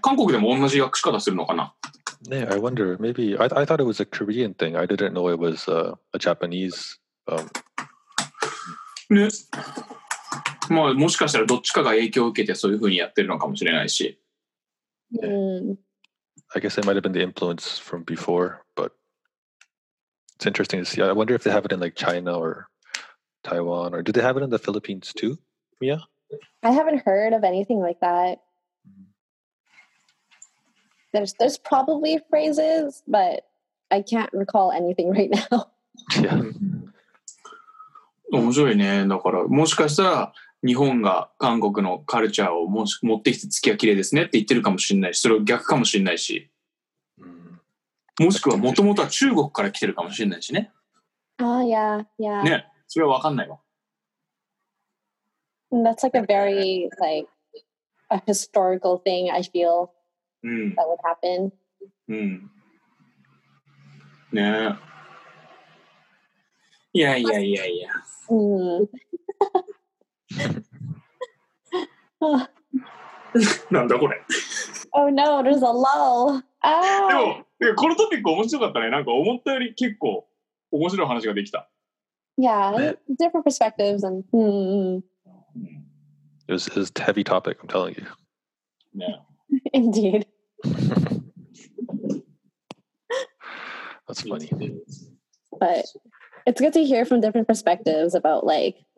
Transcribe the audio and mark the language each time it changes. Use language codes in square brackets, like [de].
[ja] 韓国でも同じ訳し方するのかな。 [en] ね、I wonder. Maybe I thought it was a Korean thing. I didn't know it was a Japanese. [ja] ね。まあもしかしたらどっちかが影響を受けてそういう風にやってるのかもしれないし。うん。 [en] I guess it might have been the influence from before, but it's interesting to see. I wonder if they have it in like China or Taiwan, or do they have it in the Philippines too, Mia? I haven't heard of anything like that. There's probably phrases, but I can't recall anything right now. Yeah. [ja] 面白いね。だからもしかしたら日本が韓国のカルチャーをもし持ってきて月は綺麗ですねって言ってるかもしれないし、それを逆かもしれないし、もしくはもともとは中国から来てるかもしれないしね。ああ、いや、いや。ね、それは分かんないわ。 [en] That's like a very, like, a historical thing, I feel, that would happen. [ja] うん。ねえ。いやいやいやいや。うん。なんだこれ。 [en] Oh no, there's a lull. [ja] でもこのトピック面白かったね。なんか思ったより結構面白い話ができた。 [en] Yeah, different perspectives and It was a heavy topic, I'm telling you. Yeah. Indeed. That's funny. But it's good to hear from different perspectives about like.